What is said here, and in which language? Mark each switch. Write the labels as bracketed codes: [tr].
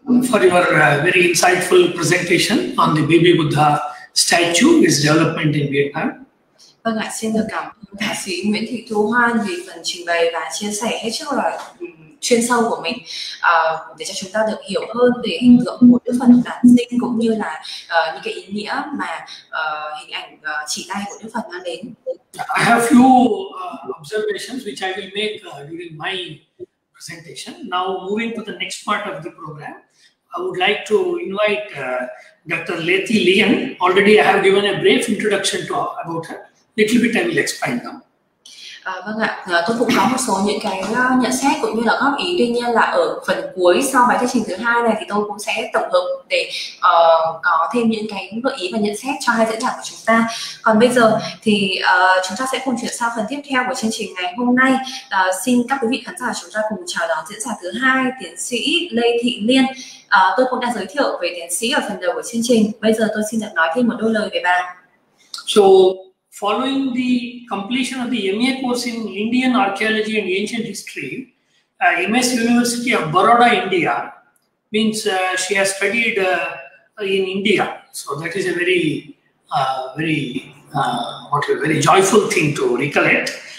[en] for your very insightful presentation on the Baby Buddha statue, its development in Vietnam. [vi] Vâng ạ, xin được cảm ơn thạc sĩ Nguyễn Thị Thu Hoan vì phần trình bày và chia sẻ hết sức là chuyên sâu của mình, để cho chúng ta được hiểu hơn về hình tượng của Đức Phật Đản Sinh cũng như là những cái ý nghĩa mà hình ảnh chỉ tay của Đức Phật mang đến. [en] I have few observations which I will make during my presentation. Now moving to the next part of the program, I would like to invite Dr. Lethi Lien. Already I have given a brief introduction to about her. Little bit I will explain now. [vi] Vâng ạ, tôi cũng có một số những cái nhận xét cũng như là góp ý. Tuy nhiên là ở phần cuối sau bài thuyết trình thứ hai này thì tôi cũng sẽ tổng hợp để có thêm những cái gợi ý và nhận xét cho hai diễn giả của chúng ta. Còn bây giờ thì chúng ta sẽ cùng chuyển sang phần tiếp theo của chương trình ngày hôm nay. Xin các quý vị khán giả chúng ta cùng chào đón diễn giả thứ hai, tiến sĩ Lê Thị Liên. Tôi cũng đã giới thiệu về tiến sĩ ở phần đầu của chương trình. Bây giờ tôi xin được nói thêm một đôi lời về bà. [en] Following the completion of the MA course in Indian Archaeology and Ancient History, MS University of Baroda, India, means she has studied in India. So that is a very, very, what a very joyful thing to recollect.